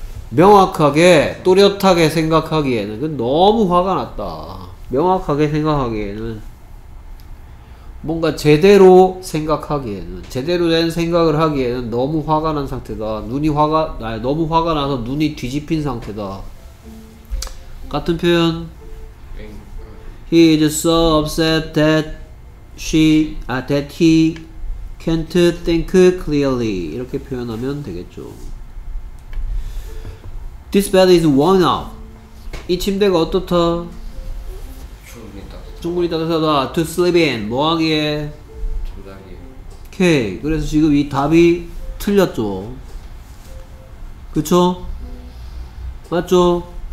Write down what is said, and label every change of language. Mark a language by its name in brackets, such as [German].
[Korean] 명확하게, 또렷하게 생각하기에는 너무 화가 났다. 명확하게 생각하기에는 뭔가 제대로 생각하기에는 제대로 된 생각을 하기에는 너무 화가 난 상태다. 눈이 화가 아니, 너무 화가 나서 눈이 뒤집힌 상태다. 같은 표현. [English] He is so upset that that he can't think clearly. [Korean] 이렇게 표현하면 되겠죠. [English] This bed is worn out. [Korean] 이 침대가 어떻다? 충분히 따뜻하다. [English] To sleep in. [Korean] 뭐 하기에? 잠자기에. [English] OK. [Korean] 그래서 지금 이 답이 틀렸죠. 그쵸? 맞죠?